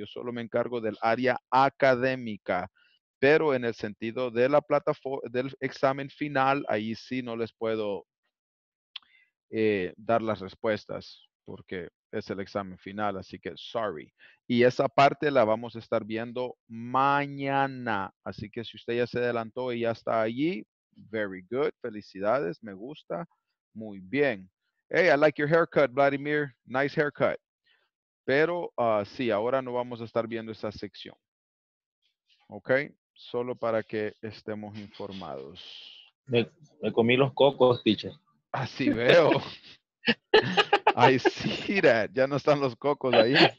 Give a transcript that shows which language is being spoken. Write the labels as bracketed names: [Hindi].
[Spanish] Yo solo me encargo del área académica, pero en el sentido de la plataforma, del examen final, ahí sí no les puedo dar las respuestas, porque es el examen final, así que sorry. Y esa parte la vamos a estar viendo mañana. Así que si usted ya se adelantó y ya está allí, [English] very good, [Spanish] felicidades, me gusta, muy bien. [English] Hey, I like your haircut, Vladimir, nice haircut. [Spanish] Pero sí, ahora no vamos a estar viendo esa sección. Ok, solo para que estemos informados. Me comí los cocos, teacher. Así veo. [English] I see that. [Spanish] Ya no están los cocos ahí.